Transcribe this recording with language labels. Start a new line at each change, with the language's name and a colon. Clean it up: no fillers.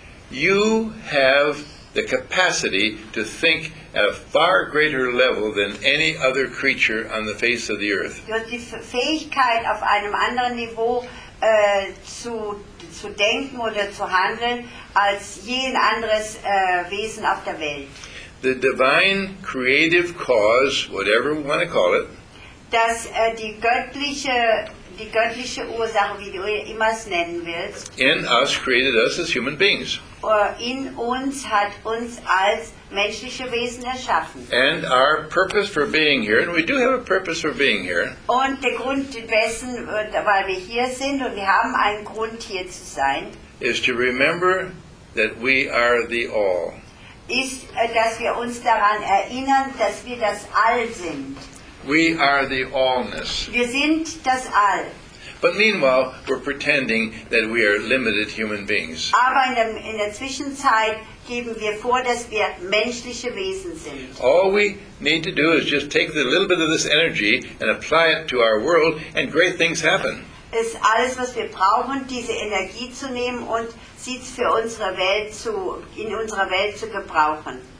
English: Now, you have the capacity to think at a far greater level than any other creature on the face of the earth.
German: Du hast die Fähigkeit, auf einem anderen Niveau zu denken oder zu handeln, als jeden anderes Wesen auf der Welt.
English: The divine creative cause, whatever we want to call it,
German: dass die göttliche Ursache, wie du immer es nennen willst,
English: in us created us as human beings.
German: In uns hat uns als menschliche Wesen erschaffen.
English: And our purpose for being here, and we do have a purpose for being here.
German: Und der Grund dessen, weil wir hier sind und wir haben einen Grund hier zu sein,
English: is to remember that we are the all.
German: Ist, dass wir uns daran erinnern, dass wir das All sind.
English: We are the allness.
German: Wir sind das All.
English: But meanwhile, we're pretending that we are limited human beings.
German: Aber in der Zwischenzeit geben wir vor, dass wir menschliche Wesen sind.
English: All we need to do is just take a little bit of this energy and apply it to our world, and great things happen.
German: Ist alles, was wir brauchen, diese Energie zu nehmen und sie für unsere Welt in unserer Welt zu gebrauchen.